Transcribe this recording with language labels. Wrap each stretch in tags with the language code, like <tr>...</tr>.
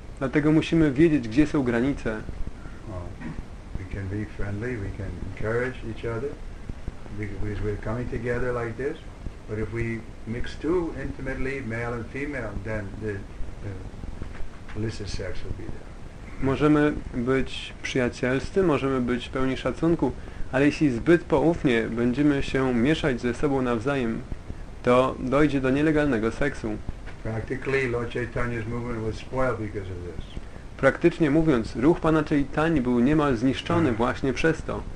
<pl>Dlatego musimy wiedzieć, gdzie są granice.</pl> <en>Well, we can be friendly, we can encourage each other. Because we're coming together like this, but if we mix too intimately, male and female, then the illicit sex will be there.</en> <pl>Możemy być przyjacielscy, możemy być pełni szacunku, ale jeśli zbyt poufnie będziemy się mieszać ze sobą nawzajem, to dojdzie do nielegalnego seksu.</pl> <en>Practically, Lord Chaitanya's movement was spoiled because of this.</en> <pl>Praktycznie mówiąc, ruch Pana Chaitany był niemal zniszczony właśnie przez to.</pl>